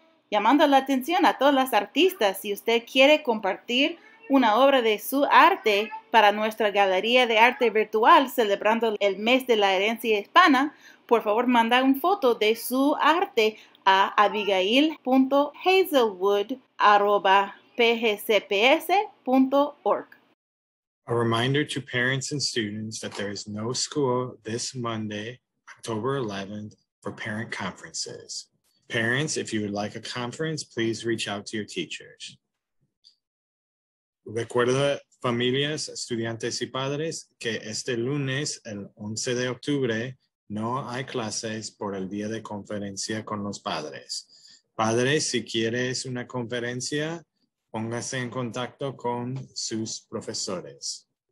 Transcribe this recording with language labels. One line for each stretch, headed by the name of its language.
Spanish: Llamando la atención a todas las artistas, si usted quiere compartir una obra de su arte para nuestra galería de arte virtual celebrando el mes de la herencia hispana, por favor manda una foto de su arte a abigail.hazelwood@pgcps.org.
English: A reminder to parents and students that there is no school this Monday, October 11th, for parent conferences. Parents, if you would like a conference, please reach out to your teachers.
Spanish: Recuerda, familias, estudiantes y padres, que este lunes, el 11 de octubre, no hay clases por el día de conferencia con los padres. Padres, si quieres una conferencia, póngase en contacto con sus profesores.